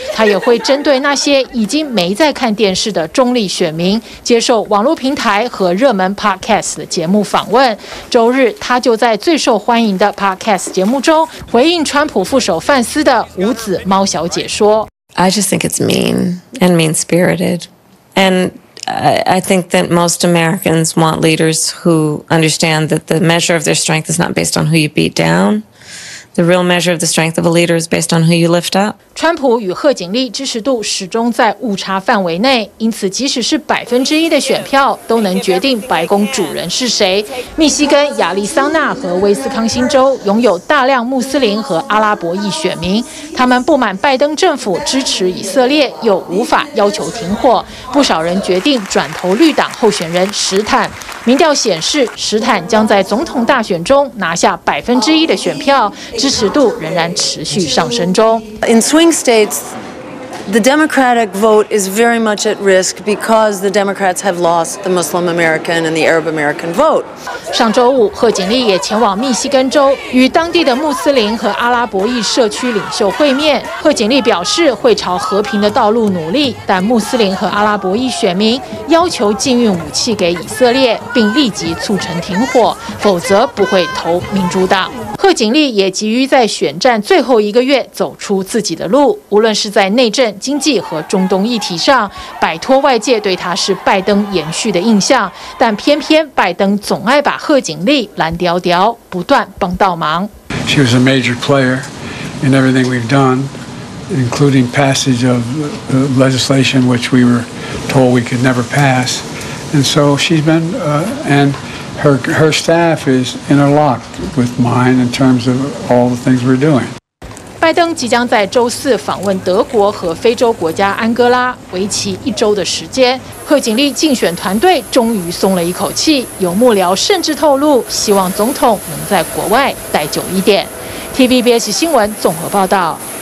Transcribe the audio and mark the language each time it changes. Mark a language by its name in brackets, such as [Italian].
[Chinese] 他也会针对那些已经没在看电视的中立选民，接受网络平台和热门 podcast 的节目访问。周日他就在最受欢迎的 podcast 节目中回应川普副手范斯的五子猫小姐说， [English] I just think it's mean and mean-spirited. And I think that most Americans want leaders who understand that the measure of their strength is not based on who you beat down. The real measure of the strength of a leader is based on who you lift up. [Chinese] 川普与贺锦丽支持度始终在误差范围内，因此即使是1%的选票，都能决定白宫主人是谁。密西根、亚利桑那和威斯康星州拥有大量穆斯林和阿拉伯裔选民，他们不满拜登政府支持以色列，又无法要求停火，不少人决定转投绿党候选人史坦。民调显示，史坦将在总统大选中拿下1%的选票，支持度仍然持续上升中。 In swing states, the Democratic vote is very much at risk because the Democrats have lost the Muslim American and the Arab American vote. 上周五，贺锦丽也前往密西根州，与当地的穆斯林和阿拉伯裔社区领袖会面。贺锦丽表示会朝和平的道路努力，但穆斯林和阿拉伯裔选民要求禁运武器给以色列，并立即促成停火，否则不会投民主党。贺锦丽也急于在选战最后一个月走出自己的路，无论是在内政、经济和中东议题上，摆脱外界对他是拜登延续的印象。但偏偏拜登总爱把贺锦丽拦吊吊，不断帮倒忙。 [English] She was a major player in everything we've done, including passage of legislation which we were told we could never pass, and so she's been and. Her staff is interlocked with mine in terms of all the things we're doing. [Chinese] 拜登即将在周四访问德国和非洲国家安哥拉，为期一周的时间。贺锦丽竞选团队终于松了一口气，有幕僚甚至透露，希望总统能在国外待久一点。 TVBS 新闻综合报道。